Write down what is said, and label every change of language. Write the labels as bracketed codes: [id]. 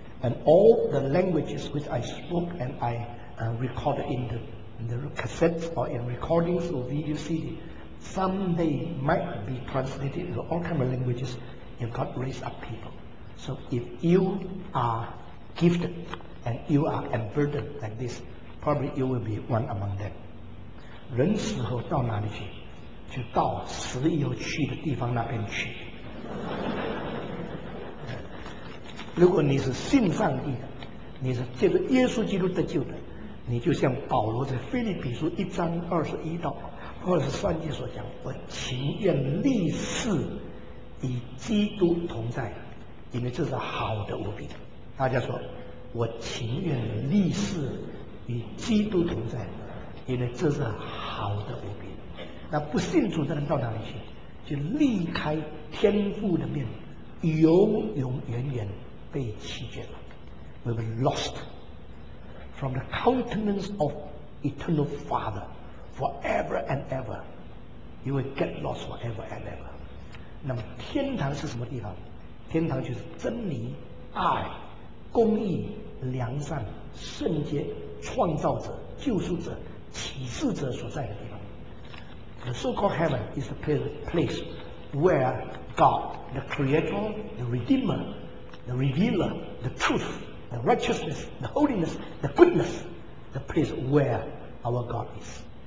[en] And all the languages which I spoke and I recorded in the cassettes or in recordings or video CD, someday might be translated into all kinds of languages if God raised up people. So if you are gifted and you are emburdened like this, probably you will be one among them. [zh] 人死后到哪里去? 就到死以后去的地方那边去。如果你是信上帝的, 你是借着耶稣基督得救的, 你就像保罗在腓立比书1章21到23节所讲, 我情愿历世与基督同在, 因为这是好的无比的。大家说, 我情愿历世与基督同在, 因为这是好的无比的。那不信主的人到哪里去?就离开天父的面, 永永远远被弃绝了。 [en] We were lost from the countenance of eternal Father forever and ever. You will get lost forever and ever. [zh] 那么天堂是什么地方? 天堂就是真理、爱、公义、良善、圣洁、创造者、救赎者、启示者所在的地方。 [en] The so-called heaven is the place where God, the Creator, the Redeemer, the Revealer, the Truth, the Righteousness, the Holiness, the Goodness, the place where our God is.